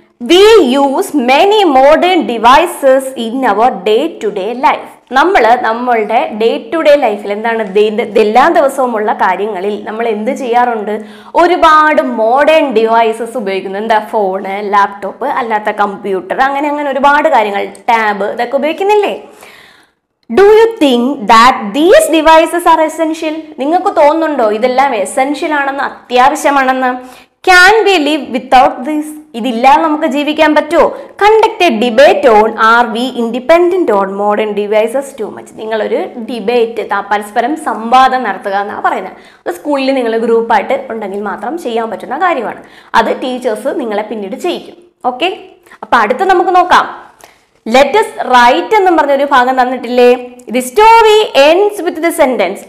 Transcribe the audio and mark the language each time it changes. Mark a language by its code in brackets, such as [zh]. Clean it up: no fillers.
[en] We use many modern devices in our day to day life. [ml] നമ്മൾ നമ്മളുടെ day to day ലൈഫിൽ എന്താണ്, എല്ലാ ദിവസവുമുള്ള കാര്യങ്ങളിൽ നമ്മൾ എന്ത് ചെയ്യാറുണ്ട്? ഒരുപാട് മോഡേൺ ഡിവൈസസ് ഉപയോഗിക്കുന്നു. എന്താ? ഫോണ്, ലാപ്ടോപ്പ്, അല്ലാത്ത കമ്പ്യൂട്ടർ, അങ്ങനെ അങ്ങനെ ഒരുപാട് കാര്യങ്ങൾ, ടാബ്, ഇതൊക്കെ ഉപയോഗിക്കുന്നില്ലേ. [en] Do you think that these devices are essential? [ml] നിങ്ങൾക്ക് തോന്നുന്നുണ്ടോ ഇതെല്ലാം എസെൻഷ്യൽ ആണെന്ന്, അത്യാവശ്യമാണെന്ന്? [en] Can we live without this? [ml] ഇതില്ലാതെ നമുക്ക് ജീവിക്കാൻ പറ്റുമോ? [en] Conduct a debate on are we independent on modern devices too much? [ml] നിങ്ങളൊരു ഡിബേറ്റ്, പരസ്പരം സംവാദം നടത്തുക എന്നാണ് പറയുന്നത്. അത് സ്കൂളിൽ നിങ്ങൾ ഗ്രൂപ്പായിട്ട് ഉണ്ടെങ്കിൽ മാത്രം ചെയ്യാൻ പറ്റുന്ന കാര്യമാണ്. അത് ടീച്ചേഴ്സ് നിങ്ങളെ പിന്നീട് ചെയ്യിക്കും. ഓക്കെ, അപ്പൊ അടുത്ത് നമുക്ക് നോക്കാം. [en] let us write [ml] എന്നും പറഞ്ഞൊരു ഭാഗം തന്നിട്ടില്ലേ. [en] The story ends with the sentence.